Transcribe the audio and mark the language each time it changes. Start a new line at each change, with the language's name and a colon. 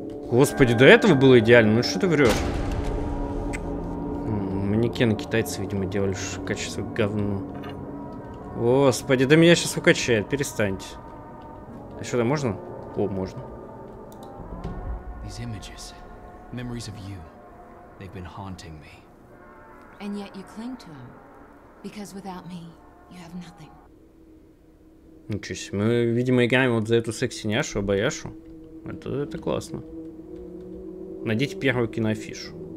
Russian: Господи, до этого было идеально? Ну что ты врешь? Манекены китайцы, видимо, делали качество говно. Господи, да меня сейчас укачает, перестаньте. А что, там можно? О, можно.
English: These images, memories of you, they've been haunting me. And yet you cling to them, because without me, you have nothing.
Russian: Ничего себе. Мы, видимо, играем вот за эту секси-няшу, обаяшу. Это классно. Найдите первую киноафишу.